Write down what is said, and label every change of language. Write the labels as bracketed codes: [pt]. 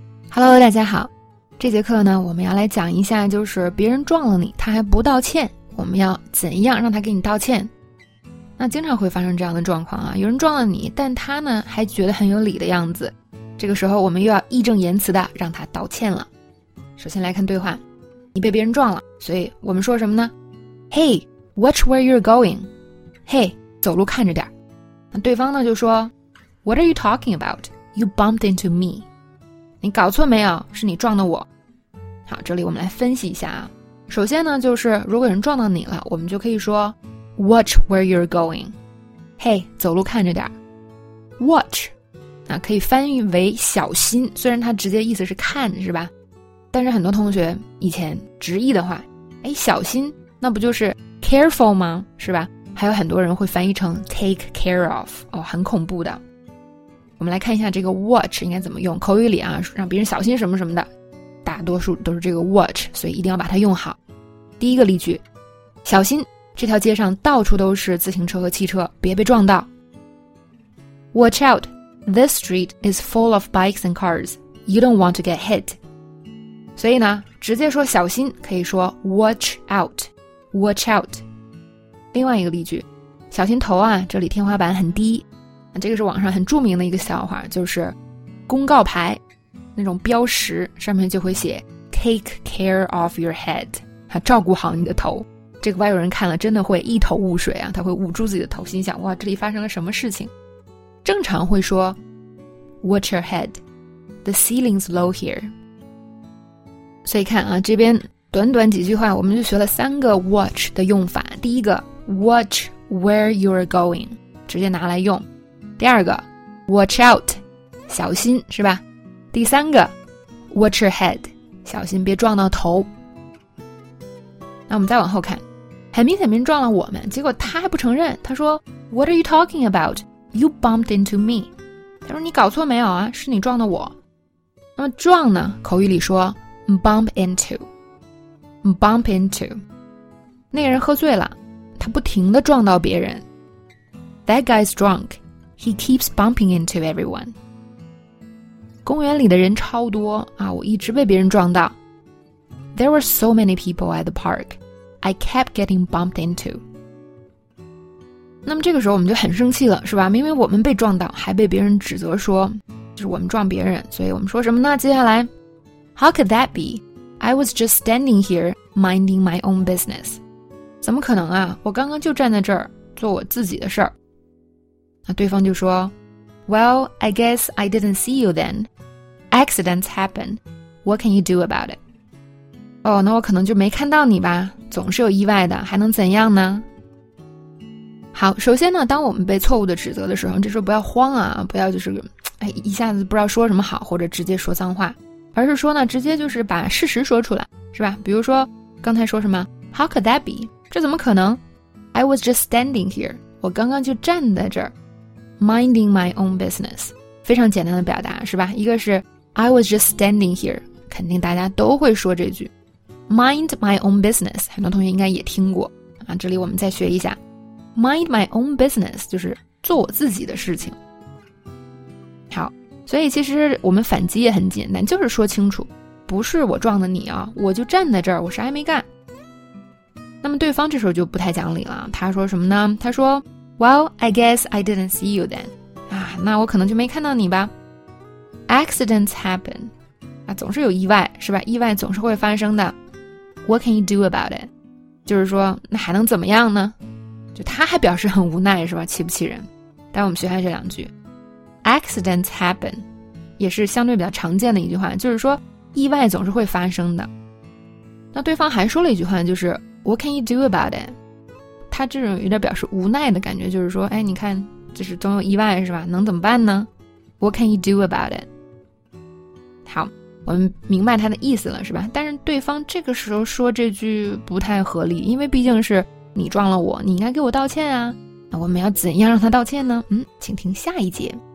[zh] Hello， 大家好，这节课呢我们要来讲一下，就是别人撞了你他还不道歉，我们要怎样让他给你道歉。那经常会发生这样的状况啊，有人撞了你，但他呢还觉得很有理的样子，这个时候我们又要义正言辞的让他道歉了。首先来看对话，你被别人撞了，所以我们说什么呢？ [en] Hey, watch where you're going. [zh] Hey, 走路看着点。那对方呢就说， [en] What are you talking about? You bumped into me. [zh] 你搞错没有，是你撞的我。好，这里我们来分析一下啊。首先呢，就是如果人撞到你了，我们就可以说 [en] Watch where you're going. [zh] Hey, 走路看着点。Watch 那可以翻译为小心，虽然它直接意思是看，是吧？但是很多同学以前直译的话，哎，小心那不就是 careful 吗，是吧？还有很多人会翻译成 [en] take care of， [zh] 哦，很恐怖的。我们来看一下这个 watch 应该怎么用，口语里啊，让别人小心什么什么的，大多数都是这个 watch， 所以一定要把它用好。第一个例句，小心，这条街上到处都是自行车和汽车，别被撞到。 [en] Watch out, this street is full of bikes and cars, you don't want to get hit. [zh] 所以呢，直接说小心，可以说 [en] watch out, watch out. [zh] 另外一个例句，小心头啊，这里天花板很低。这个是网上很著名的一个笑话，就是公告牌那种标识上面就会写 [en] Take care of your head， [zh] 照顾好你的头。这个外国人看了真的会一头雾水啊，他会捂住自己的头，心想哇，这里发生了什么事情。正常会说 [en] Watch your head, the ceiling's low here。 [zh] 所以看啊，这边短短几句话我们就学了三个 watch 的用法。第一个 [en] Watch where you're going， [zh] 直接拿来用。第二个 [en] watch out， [zh] 小心，是吧？第三个 [en] watch your head， [zh] 小心别撞到头。那我们再往后看，很明显别人撞了我们，结果他还不承认，他说 [en] What are you talking about? You bumped into me。 [zh] 他说你搞错没有啊，是你撞的我。那么撞呢，口语里说 [en] bump into， bump into， [zh] 那个人喝醉了，他不停地撞到别人。 [en] That guy's drunkHe keeps bumping into everyone. [zh] 公园里的人超多啊，我一直被别人撞到。 [en] There were so many people at the park. I kept getting bumped into. [zh] 那么这个时候我们就很生气了，是吧？明明我们被撞到，还被别人指责说，就是我们撞别人，所以我们说什么呢？接下来 [en] How could that be? I was just standing here, minding my own business. [zh] 怎么可能啊？我刚刚就站在这儿，做我自己的事儿。 [en] 那对方就说 Well, I guess I didn't see you then. Accidents happen. What can you do about it? [zh] 哦，那我可能就没看到你吧，总是有意外的，还能怎样呢？好，首先呢，当我们被错误的指责的时候，这时候不要慌啊，不要就是一下子不知道说什么好，或者直接说脏话，而是说呢，直接就是把事实说出来，是吧？比如说刚才说什么 [en] How could that be? [zh] 这怎么可能？ [en] I was just standing here. [zh] 我刚刚就站在这儿。 [en] Minding my own business， [zh] 非常简单的表达，是吧？一个是 [en] I was just standing here， [zh] 肯定大家都会说这句 [en] Mind my own business， [zh] 很多同学应该也听过啊。这里我们再学一下 [en] Mind my own business， [zh] 就是做我自己的事情。好，所以其实我们反击也很简单，就是说清楚不是我撞的你啊，我就站在这儿，我啥也没干。那么对方这时候就不太讲理了，他说什么呢？他说 [en] Well, I guess I didn't see you then. [zh] 啊，那我可能就没看到你吧。 [en] Accidents happen. [zh] 啊，总是有意外，是吧？意外总是会发生的。 [en] What can you do about it? [zh] 就是说，那还能怎么样呢？就他还表示很无奈，是吧？气不气人？待会我们学下这两句。 [en] Accidents happen. [zh] 也是相对比较常见的一句话，就是说意外总是会发生的。那对方还说了一句话，就是 [en] What can you do about it? [zh] 他这种有点表示无奈的感觉，就是说哎，你看就是总有意外，是吧？能怎么办呢？ [en] What can you do about it? [zh] 好，我们明白他的意思了，是吧？但是对方这个时候说这句不太合理，因为毕竟是你撞了我，你应该给我道歉啊。那我们要怎样让他道歉呢？请听下一节。